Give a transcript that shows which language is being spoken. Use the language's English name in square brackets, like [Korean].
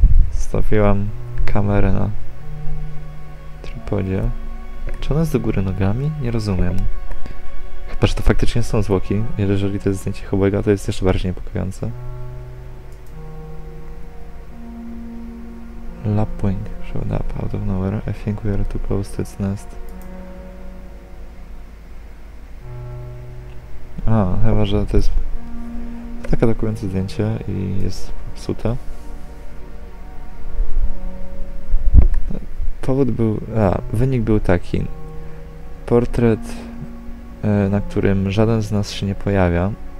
[Polish] Stawiłam kamerę na tripodzie. Czy ona jest do góry nogami? Nie rozumiem. Chyba, że to faktycznie są zwłoki. Jeżeli to jest zdjęcie Hobiego, to jest jeszcze bardziej niepokojące. [English] Lapwing showed up out of nowhere. I think we are too close to its nest. [Polish] A, chyba, że to jest tak atakujące zdjęcie i jest psute. Powód był... wynik był taki. Portret, na którym żaden z nas się nie pojawia.